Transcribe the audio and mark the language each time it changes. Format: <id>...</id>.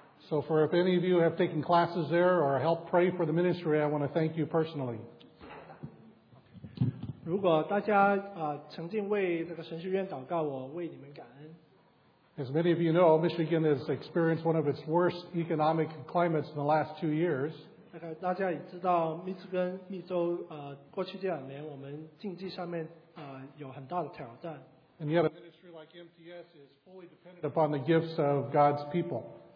<en>So for if any of you have taken classes there or helped pray for the ministry, I want to thank you personally.</en> <zh>如果大家曾经为这个神学院祷告，我为你们感恩。</zh> <en>As many of you know, Michigan has experienced one of its worst economic climates in the last 2 years.</en> <zh>大家也知道密歇根密州过去这两年我们经济上面有很大的挑战。</zh> <en>And yet a ministry like MTS is fully dependent upon the gifts of God's people.</en>